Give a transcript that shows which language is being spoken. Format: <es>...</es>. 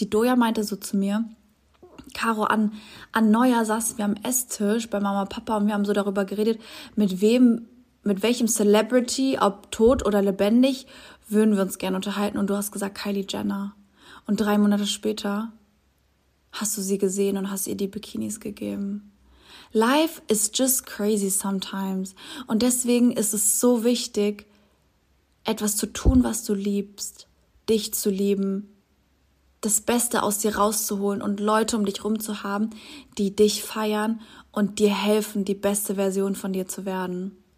<de>Die Doja meinte so zu mir, Caro, an Neujahr saßen wir am Esstisch bei Mama und Papa und wir haben so darüber geredet, mit welchem Celebrity, ob tot oder lebendig, würden wir uns gerne unterhalten. Und du hast gesagt, Kylie Jenner. Und 3 Monate später hast du sie gesehen und hast ihr die Bikinis gegeben.</de> <en>Life is just crazy sometimes.</en> <de>Und deswegen ist es so wichtig, etwas zu tun, was du liebst, dich zu lieben, das Beste aus dir rauszuholen und Leute um dich rum zu haben, die dich feiern und dir helfen, die beste Version von dir zu werden.</de>